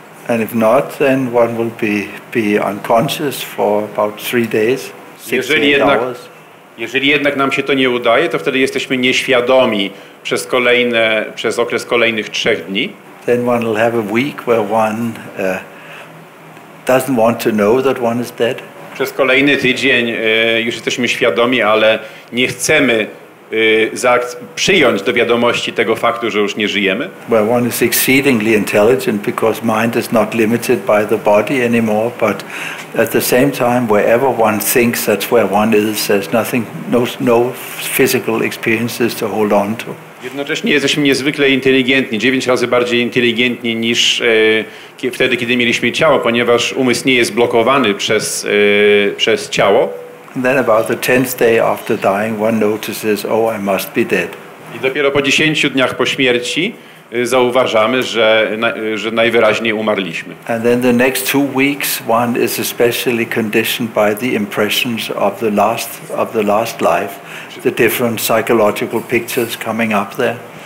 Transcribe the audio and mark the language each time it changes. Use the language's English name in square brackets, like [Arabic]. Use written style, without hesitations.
[English] And if not, then one will be unconscious for about 3 days, 16 hours. [Polish] Jeżeli jednak nam się to nie udaje, to wtedy jesteśmy nieświadomi przez okres kolejnych 3 dni. [English] Then one will have a week where one doesn't want to know that one is dead. [Polish] Przez kolejny tydzień już jesteśmy świadomi, ale nie chcemy przyjąć do wiadomości tego faktu, że już nie żyjemy. [English] Well, one is exceedingly intelligent because mind is not limited by the body anymore, but at the same time, wherever one thinks, that's where one is. There's nothing, no physical experiences to hold on to. [Polish] Jednocześnie jesteśmy niezwykle inteligentni, 9 razy bardziej inteligentni niż wtedy, kiedy mieliśmy ciało, ponieważ umysł nie jest blokowany przez ciało. [English] And then about the 10th day after dying, one notices, oh, I must be dead. [Polish] I dopiero po 10 dniach po śmierci zauważamy, że najwyraźniej umarliśmy. [English] And then the next 2 weeks, one is especially conditioned by the impressions of the last life, the different psychological pictures coming up there.